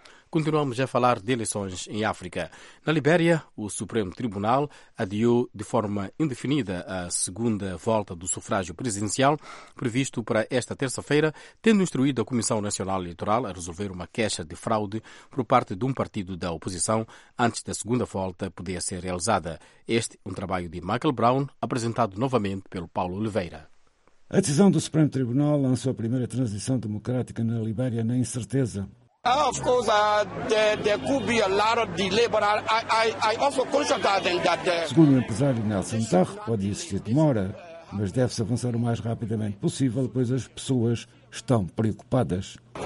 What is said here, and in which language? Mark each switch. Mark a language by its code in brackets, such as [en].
[pt] Continuamos a falar de eleições em África. Na Libéria, o Supremo Tribunal adiou de forma indefinida a segunda volta do sufrágio presidencial previsto para esta terça-feira, tendo instruído a Comissão Nacional Eleitoral a resolver uma queixa de fraude por parte de um partido da oposição antes da segunda volta poder ser realizada. Este é um trabalho de Michael Brown, apresentado novamente pelo Paulo Oliveira. A decisão do Supremo Tribunal lançou a primeira transição democrática na Libéria na incerteza. [en] Of course, there could be a lot of delay, but I also conscious that [pt] segundo o empresário Nelson Tarro, pode existir demora, mas deve-se avançar o mais rapidamente possível, pois as pessoas estão preocupadas.